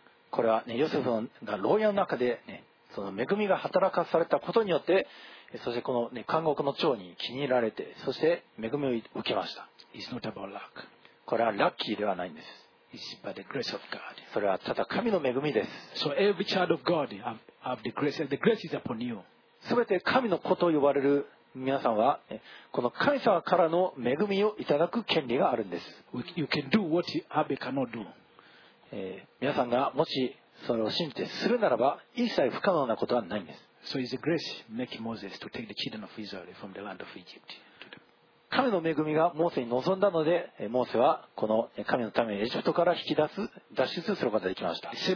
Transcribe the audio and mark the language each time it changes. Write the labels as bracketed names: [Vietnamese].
[Japanese] これは、ね、ヨセフが牢屋の中で、ね、その恵みが働かされたことによって、そしてこの、ね、監獄の長に気に入られて、そして恵みを受けました。 [English] It's not about luck. [Japanese] これはラッキーではないんです。 [English] It's by the grace of God. [Japanese] それはただ神の恵みです。 [English] So every child of God have the grace, and the grace is upon you. [Japanese] すべて神の子と呼ばれる皆さんは、この神様からの恵みをいただく権利があるんです。 [English] You can do what Abe cannot do. [Japanese] 皆さんがもしそれを信じてするならば、一切不可能なことはないんです。 [English] So it's the grace make Moses to take the children of Israel from the land of Egypt. [Japanese] 神の恵みがモーセに望んだので、モーセはこの神のためにエジプトから引き出す脱出することができました。